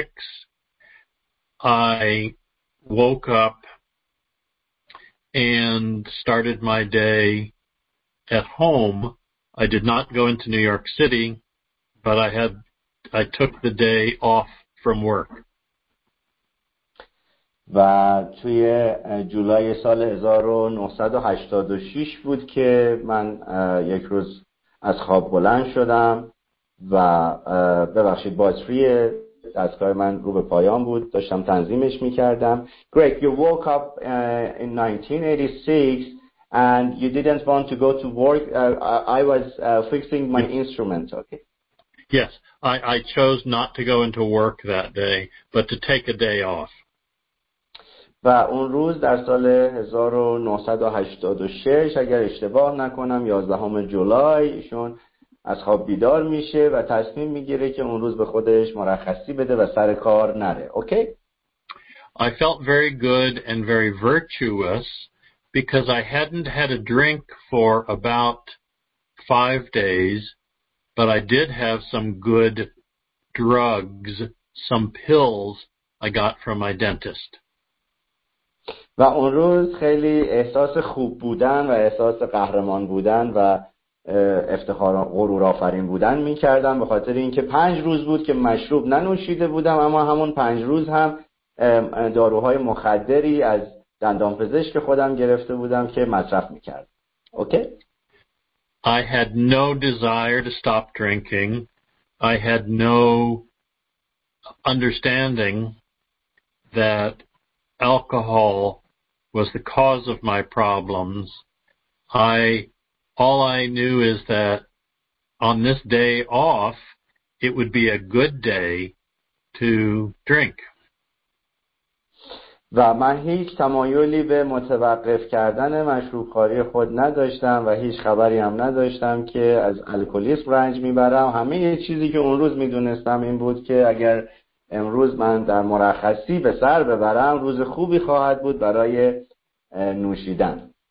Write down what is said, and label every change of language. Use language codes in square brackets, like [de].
[en] July 11, 1986, I woke up and started my day at home. I did not go into New York City, but I took the day off from work. [fa] و توی جولای سال 1986 بود که من یک روز از خواب بلند شدم و ببخشید باتری دستگاه من رو به پایان بود، داشتم تنظیمش می‌کردم. [en] Greg, you woke up in 1986 and you didn't want to go to work. I was fixing my instruments, okay? Yes, I chose not to go into work that day, but to take a day off. [fa] و اون روز در سال 1986 اگر اشتباه نکنم 11 جولای ایشون از خواب بیدار میشه و تصمیم میگیره که اون روز به خودش مرخصی بده و سر کار نره. [en] Okay? I felt very good and very virtuous because I hadn't had a drink for about 5 days, but I did have some good drugs, some pills I got from my dentist. [fa] و اون روز خیلی احساس خوب بودن و احساس قهرمان بودن و افتخار غرور آفرین بودن می کردم به خاطر اینکه 5 روز بود که مشروب ننوشیده بودم، اما همون 5 روز هم داروهای مخدری از دندانپزشک خودم گرفته بودم که مصرف می کردم. [en] Okay? I had no desire to stop drinking. I had no understanding that alcohol was the cause of my problems. All I knew is that on this day off, it would be a good day to drink. [fa] و من هیچ تمایلی به متوقف کردن مشروب‌خواری خود نداشتم و هیچ خبری هم نداشتم که از الکلیسم رنج میبرم. همه چیزی که اون روز میدونستم این بود که اگر امروز من در مرخصی به سر ببرم روز خوبی خواهد بود برای نوشیدن.